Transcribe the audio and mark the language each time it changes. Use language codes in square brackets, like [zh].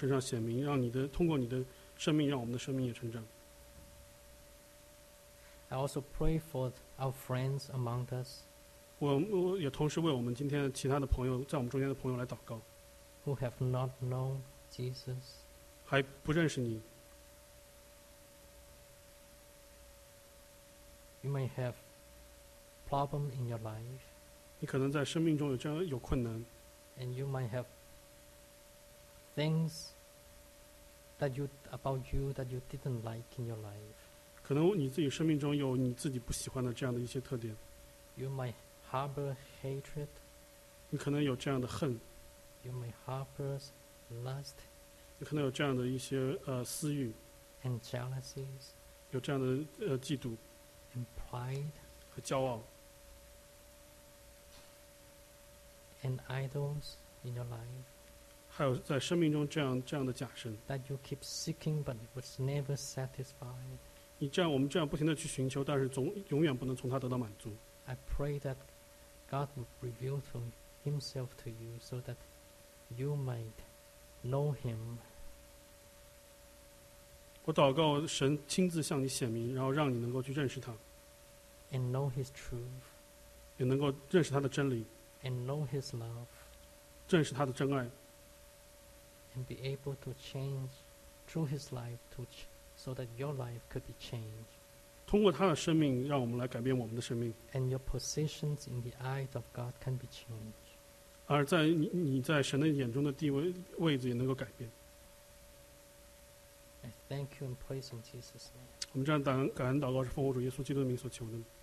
[zh] 真的是让你的光从我们身上显明，让你的通过你的生命，让我们的生命也成长。 [en] I also pray for our friends among us. [zh] 我也同时为我们今天其他的朋友，在我们中间的朋友来祷告。 [en] Who have not known Jesus. [zh] 还不认识你。 [en] You may have problem in your life. [zh] 你可能在生命中有困难。 [en] And you might have things that you about you that you didn't like in your life. [zh] 可能你自己生命中有你自己不喜欢的这样的一些特点。 [en] You might harbor hatred. [zh] 你可能有这样的恨。 [en] You might harbor lust. [zh] 你可能有这样的一些私欲。 [en] And jealousies. [zh] 有这样的嫉妒。 [en] And pride. [zh] 和骄傲。 [en] And idols in your life. [zh] 还有在生命中这样的假神 [en] that you keep seeking but it was never satisfied. [zh] 我们这样不停地去寻求，但是永远不能从他得到满足。 [en] I pray that God would reveal himself to you so that you might know him. [zh] 我祷告神亲自向你显明，然后让你能够去认识他。 [en] And know His truth. [zh] 也能够认识他的真理。 [en] And know His love. [zh] 认识他的真爱。 [en] And be able to change through His life to so that your life could be changed. [zh] 通过他的生命，让我们来改变我们的生命。 [en] And your positions in the eyes of God can be changed. [zh] 而在你在神的眼中的地位位置也能够改变。 [en] I thank you and praise in Jesus' name. [zh] 我们这样感恩祷告是奉主耶稣基督的名所求的。